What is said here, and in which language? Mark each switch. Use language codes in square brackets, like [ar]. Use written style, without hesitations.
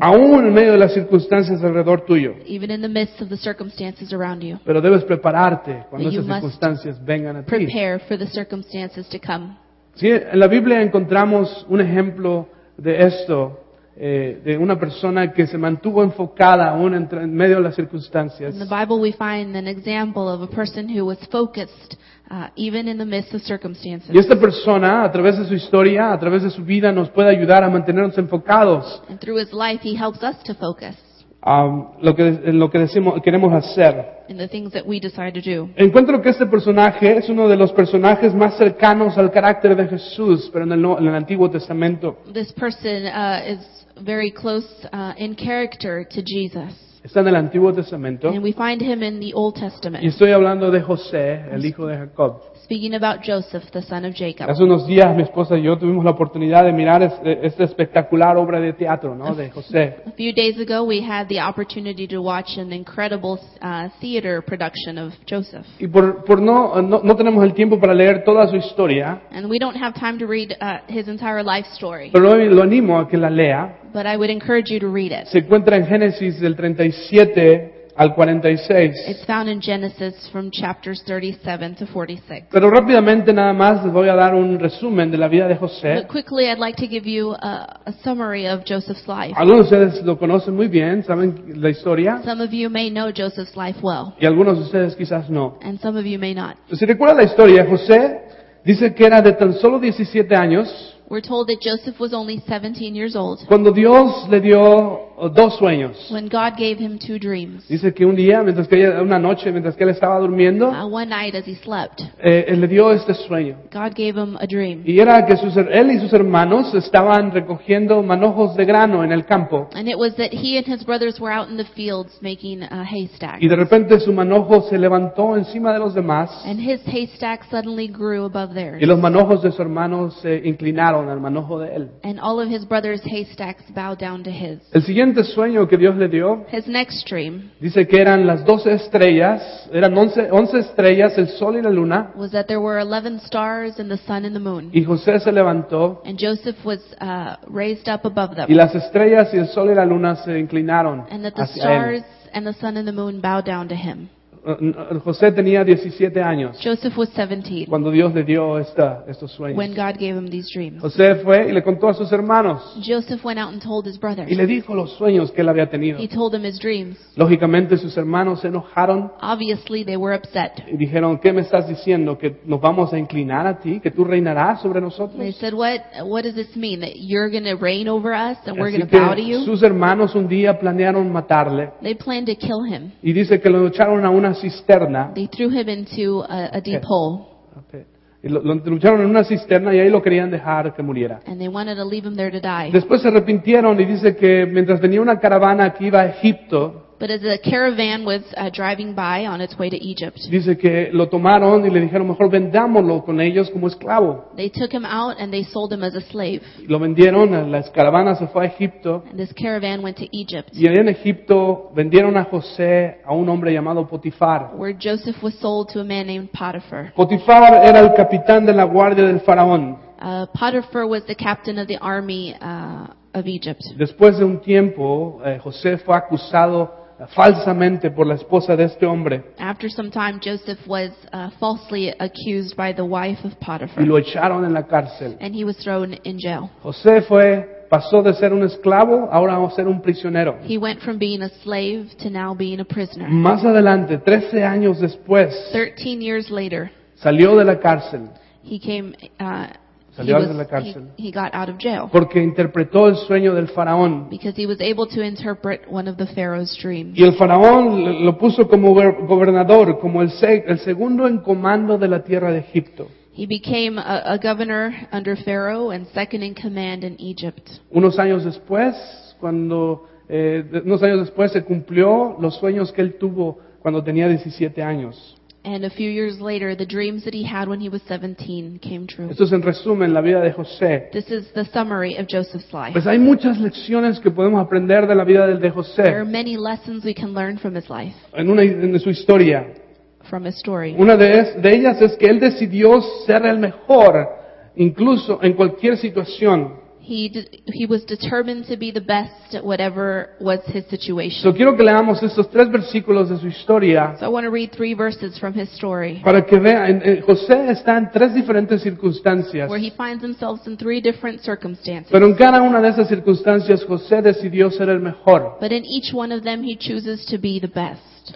[es] aún en medio de las circunstancias alrededor tuyo. [en] Even in the midst of the circumstances around you, [es] pero debes prepararte cuando esas circunstancias vengan a ti. [en] Prepare for the circumstances to come. [es] Sí, en la Biblia encontramos un ejemplo de esto. De una persona que se mantuvo enfocada aún en medio de las circunstancias. [en] In the Bible we find an example of a person who was focused even in the midst of circumstances. [es] Y esta persona, a través de su historia, a través de su vida, nos puede ayudar a mantenernos enfocados. [en] And through his life he helps us to focus. [es] Lo que decimos queremos hacer. [en] In the things that we decide to do. [es] Encuentro que este personaje es uno de los personajes más cercanos al carácter de Jesús, pero en el Antiguo Testamento. [en] This person is very close in character to Jesus. [es] Está en el Antiguo Testamento. [en] And we find him in the Old Testament. [es] Y estoy hablando de José, el hijo de Jacob. [en] Speaking about Joseph, the son of Jacob. [es] Hace unos días mi esposa y yo tuvimos la oportunidad de mirar esta espectacular obra de teatro, ¿no? De José. [en] A few days ago we had the opportunity to watch an incredible theater production of Joseph. [es] Y por no tenemos el tiempo para leer toda su historia. [en] And we don't have time to read his entire life story. [es] Pero lo animo a que la lea. [en] But I would encourage you to read it. [es] Se encuentra en Génesis del 37 al 46. [en] It's found in Genesis from chapters 37 to 46. [es] Pero rápidamente nada más les voy a dar un resumen de la vida de José. [en] But quickly I'd like to give you a summary of Joseph's life. [es] Algunos de ustedes lo conocen muy bien, saben la historia. [en] Some of you may know Joseph's life well. [es] Y algunos de ustedes quizás no. [en] And some of you may not. [es] Si recuerdan la historia, José dice que era de tan solo 17 años. [en] We're told that Joseph was only 17 years old. [es] Cuando Dios le dio dos sueños. [en] When God gave him two dreams. [es] Dice que un día, una noche, mientras que él estaba durmiendo. [en] One night as he slept. [es] Él le dio este sueño. [en] God gave him a dream. [es] Y era que él y sus hermanos estaban recogiendo manojos de grano en el campo. [en] And it was that he and his brothers were out in the fields making a haystack. [es] Y de repente su manojo se levantó encima de los demás. [en] And his haystack suddenly grew above theirs. [es] Y los manojos de sus hermanos se inclinaron. [en] And all of his brother's haystacks bowed down to his. [es] El siguiente sueño que Dios le dio. [en] His next dream. [es] Dice que eran las 12 estrellas. Eran 11 estrellas, el sol y la luna. [en] Was that there were 11 stars and the sun and the moon. [es] Y José se levantó. [en] And Joseph was raised up above them. [es] Y las estrellas y el sol y la luna se inclinaron hacia él. [en] And that the stars and the sun and the moon bowed down to him. [es] José tenía 17 años. [en] Joseph was 17. [es] Cuando Dios le dio estos sueños. [en] When God gave him these dreams. [es] José fue y le contó a sus hermanos. [en] Joseph went out and told his brothers. [es] Y le dijo los sueños que él había tenido. [en] He told them his dreams. [es] Lógicamente sus hermanos se enojaron. [en] Obviously they were upset. [es] Y dijeron, ¿qué me estás diciendo? ¿Que nos vamos a inclinar a ti? ¿Que tú reinarás sobre nosotros? [en] They said, what does this mean? That you're going to reign over us and we're going to bow to you? [es] Sus hermanos un día planearon matarle. [en] They planned to kill him. [es] Y dice que lo echaron a una cisterna. [en] They threw him into a deep hole. Okay. [es] Lo lucharon en una cisterna y ahí lo querían dejar que muriera. [en] And they wanted to leave him there to die. [es] Después se arrepintieron y dice que mientras venía una caravana que iba a Egipto. [en] But as a caravan was driving by on its way to Egypt. [es] Dice que lo tomaron y le dijeron mejor vendámoslo con ellos como esclavo. [en] They took him out and they sold him as a slave. [es] Lo vendieron, la caravana se fue a Egipto. [en] And this caravan went to Egypt. [es] Y en Egipto vendieron a José a un hombre llamado Potifar. [en] Where Joseph was sold to a man named Potiphar. [es] Potifar era el capitán de la guardia del faraón. [en] Potiphar was the captain of the army of Egypt. [es] Después de un tiempo, José fue acusado falsamente por la esposa de este hombre. [en] After some time, Joseph was falsely accused by the wife of Potiphar. [es] Y lo echaron en la cárcel. [en] And he was thrown in jail. [es] José pasó de ser un esclavo ahora a ser un prisionero. [en] He went from being a slave to now being a prisoner. [es] Más adelante, 13 años después, [en] 13 years later, [es] salió de la cárcel. [en] He came He got out of jail. [es] Porque interpretó el sueño del faraón. [en] Because he was able to interpret one of the Pharaoh's dreams. [es] Y el faraón lo puso como gobernador, como el segundo en comando de la tierra de Egipto. [en] He became a governor under Pharaoh and second in command in Egypt. [es] Unos años después, se cumplió los sueños que él tuvo cuando tenía 17 años. [en] And a few years later, the dreams that he had when he was 17 came true. [es] Esto es en resumen la vida de José. [en] This is the summary of Joseph's life. [es] Pues hay muchas lecciones que podemos aprender de la vida del de José. [en] There are many lessons we can learn from his life. [es] En su historia. [en] From his story. [es] Una de ellas es que él decidió ser el mejor, incluso en cualquier situación. [en] He was determined to be the best at whatever was his situation. [es] So quiero que leamos estos tres versículos de su historia. [en] So I want to read three verses from his story. [es] Para que vean, José está en tres diferentes circunstancias. [en] Where he finds himself in three different circumstances. [es] Pero en cada una de esas circunstancias, José decidió ser el mejor. [en] But in each one of them, he chooses to be the best.